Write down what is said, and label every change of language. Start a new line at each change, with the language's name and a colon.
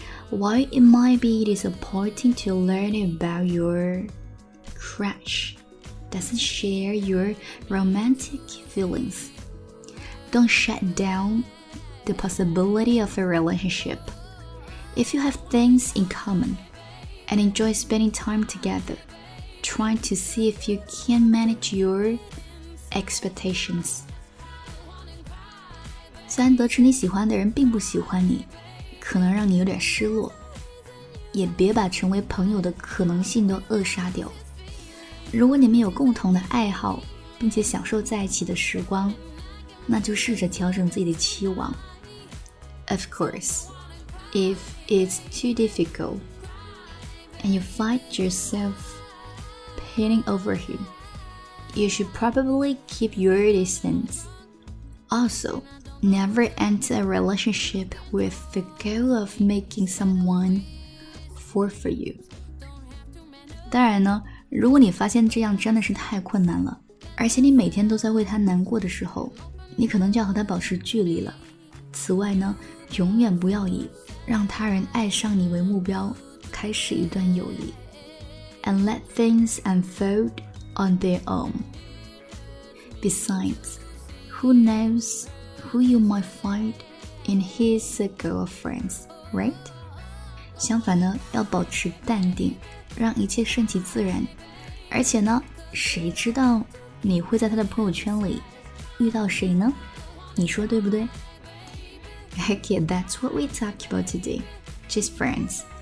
English: While it might be disappointing to learn about your crush doesn't share your romantic feelings, don't shut down the possibility of a relationship. If you have things in common and enjoy spending time together, try to see if you can manage your expectations.
Chinese: 虽然得知你喜欢的人并不喜欢你，可能让你有点失落，也别把成为朋友的可能性都扼杀掉。如果你们有共同的爱好，并且享受在一起的时光，那就试着调整自己的期望。
English: Of course, if it's too difficult and you find yourself pining over him, you should probably keep your distance. Also, never enter a relationship with the goal of making someone fall for you.
Chinese: 当然呢，如果你发现这样真的是太困难了，而且你每天都在为他难过的时候，你可能就要和他保持距离了。此外呢，永远不要以让他人爱上你为目标开始一段友谊。
English: And let things unfold on their own. Besides, who knows who you might find in his circle of friends, right?
Chinese: 相反呢，要保持淡定，让一切顺其自然。而且呢，谁知道你会在他的朋友圈里遇到谁呢？你说对不对？
English: Okay, that's what we talk about today. Just friends.